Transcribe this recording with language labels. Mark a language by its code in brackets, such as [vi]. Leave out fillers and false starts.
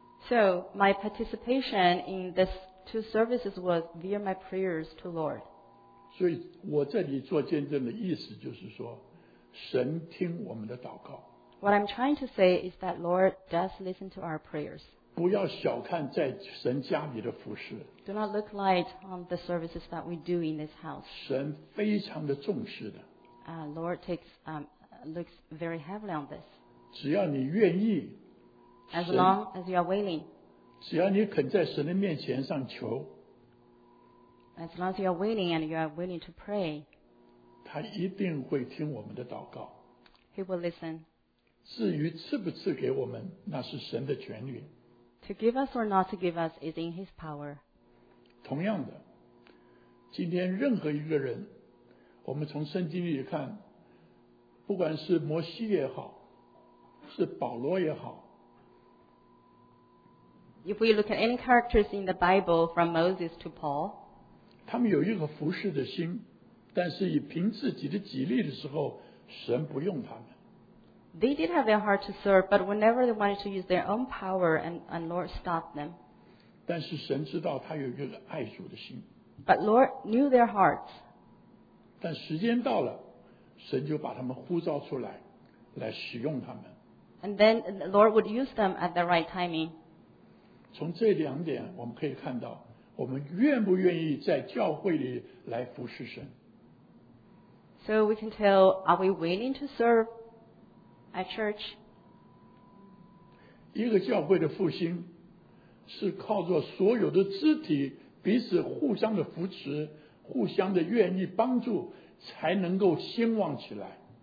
[en] So, my participation in these two services was via my prayers to Lord. [zh] 所以我这里做见证的意思就是说，神听我们的祷告。 [en] What I'm trying to say is that Lord does listen to our prayers. [zh] 不要小看在神家里的服事。 [en] Do not look light on the services that we do in this house. [zh] 神非常的重视的。 [en] Lord takes, looks very heavily on this. [zh] 只要你愿意。 [en] As long as you are willing. [zh] 只要你肯在神的面前上求。 [en] As long as you are willing and you are willing to pray. [zh] 他一定会听我们的祷告。 [en] He will listen. [zh] 至于赐不赐给我们，那是神的权柄。 [en] To give us or not to give us is in his power. [zh] 同样的，今天任何一个人，我们从圣经里看，不管是摩西也好，是保罗也好， [en] If we look at any characters in the Bible, from Moses to Paul, [zh] 他们有一个服侍的心，但是以凭自己的己力的时候，神不用他们。 [en] They did have their heart to serve, but whenever they wanted to use their own power, and Lord stopped them. [zh] 但是神知道他有一个爱主的心。 [en] But Lord knew their hearts. [zh] 但时间到了，神就把他们呼召出来，来使用他们。 [en] And then the Lord would use them at the right timing. [zh] 从这两点我们可以看到，我们愿不愿意在教会里来服侍神。 [en] So we can tell, are we willing to serve at church? [zh] 一个教会的复兴是靠着所有的肢体彼此互相的扶持，互相的愿意帮助，才能够兴旺起来。